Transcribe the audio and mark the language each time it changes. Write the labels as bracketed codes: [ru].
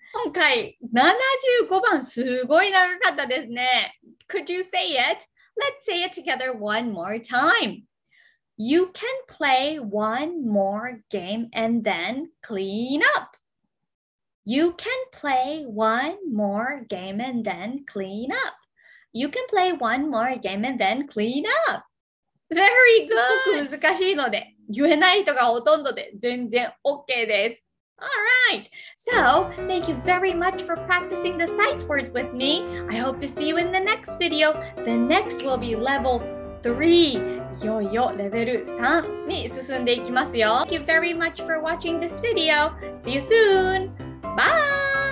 [ja] 今回75番すごい長かったですね。 [en] Could you say it? Let's say it together one more time. You can play one more game and then clean up. You can play one more game and then clean up. You can play one more game and then clean up. Very good. [ja] すごく難しいので、言えない人がほとんどで全然 OK です。 [en] All right. So, thank you very much for practicing the sight words with me. I hope to see you in the next video. The next will be level 3. [ja] いよいよレベル3に進んでいきますよ。 [en] Thank you very much for watching this video. See you soon. Bye!